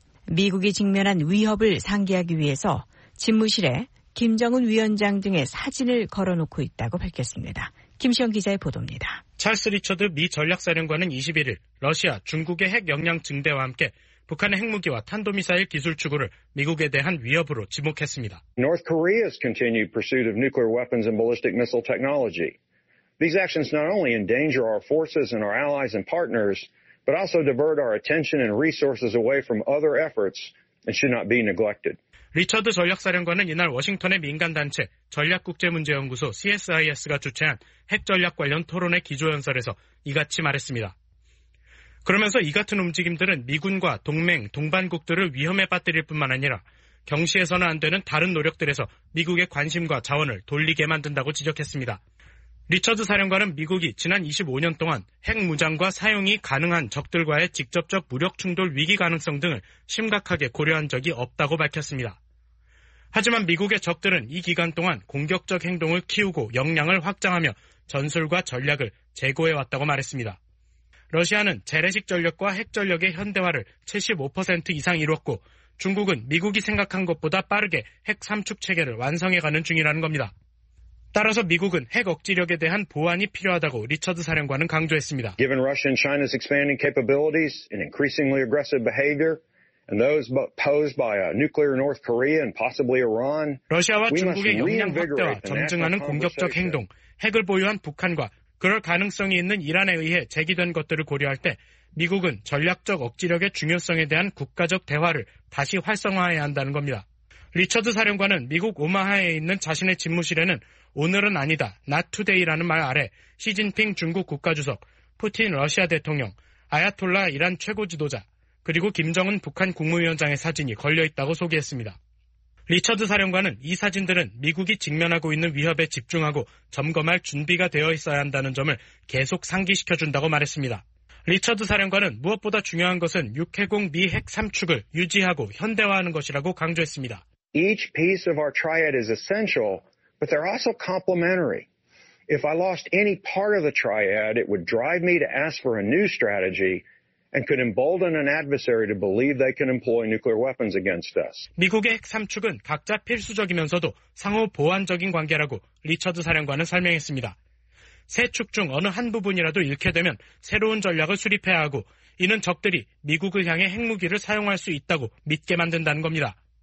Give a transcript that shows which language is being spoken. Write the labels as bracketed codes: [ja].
[ko] 미국이 직면한 위협을 상기하기 위해서 집무실에 김정은 위원장 등의 사진을 걸어놓고 있다고 밝혔습니다. 김시영 기자의 보도입니다. 찰스 리처드 미 전략사령관은 21일 러시아, 중국의 핵 역량 증대와 함께 북한의 핵무기와 탄도미사일 기술 추구를 미국에 대한 위협으로 지목했습니다. [en] North Korea's continued pursuit of nuclear weapons and ballistic missile technology. These actions not only endanger our forces and our allies and partners, but also divert our attention and resources away from other efforts and should not be neglected. [ko] 리처드 전략사령관은 이날 워싱턴의 민간단체 전략국제문제연구소 CSIS가 주최한 핵전략 관련 토론회 기조연설에서 이같이 말했습니다. 그러면서 이 같은 움직임들은 미군과 동맹, 동반국들을 위험에 빠뜨릴 뿐만 아니라 경시에서는 안 되는 다른 노력들에서 미국의 관심과 자원을 돌리게 만든다고 지적했습니다. 리처드 사령관은 미국이 지난 25년 동안 핵 무장과 사용이 가능한 적들과의 직접적 무력 충돌 위기 가능성 등을 심각하게 고려한 적이 없다고 밝혔습니다. 하지만 미국의 적들은 이 기간 동안 공격적 행동을 키우고 역량을 확장하며 전술과 전략을 재고해왔다고 말했습니다. 러시아는 재래식 전력과 핵 전력의 현대화를 75% 이상 이뤘고 중국은 미국이 생각한 것보다 빠르게 핵 삼축 체계를 완성해가는 중이라는 겁니다. 따라서 미국은 핵 억지력에 대한 보완이 필요하다고 리처드 사령관은 강조했습니다. [en] Given Russia and China's expanding capabilities and increasingly aggressive behavior and those posed by a nuclear North Korea and possibly Iran, [ko] 러시아와 중국의 역량 확대와 점증하는 공격적 행동, 핵을 보유한 북한과 그럴 가능성이 있는 이란에 의해 제기된 것들을 고려할 때 미국은 전략적 억지력의 중요성에 대한 국가적 대화를 다시 활성화해야 한다는 겁니다. 리처드 사령관은 미국 오마하에 있는 자신의 집무실에는 오늘은 아니다, [en] not today [ko] 라는 말 아래 시진핑 중국 국가주석, 푸틴 러시아 대통령, 아야톨라 이란 최고 지도자, 그리고 김정은 북한 국무위원장의 사진이 걸려있다고 소개했습니다. 리처드 사령관은 이 사진들은 미국이 직면하고 있는 위협에 집중하고 점검할 준비가 되어 있어야 한다는 점을 계속 상기시켜준다고 말했습니다. 리처드 사령관은 무엇보다 중요한 것은 육해공 미 핵 삼축을 유지하고 현대화하는 것이라고 강조했습니다. [en] Each piece of our triad is essential, but they're also complementary. If I lost any part of the triad, it would drive me to ask for a new strategy. And could embolden an adversary to believe they can employ nuclear weapons against us. [ko] 미국의 핵 삼축은 각자 필수적이면서도 상호 보완적인 관계라고 리처드 사령관은 설명했습니다. 세 축 중 어느 한 부분이라도 잃게 되면 새로운 전략을 수립해야 하고 이는 적들이 미국을 향해 핵무기를 사용할 수 있다고 믿게 만든다는 겁니다.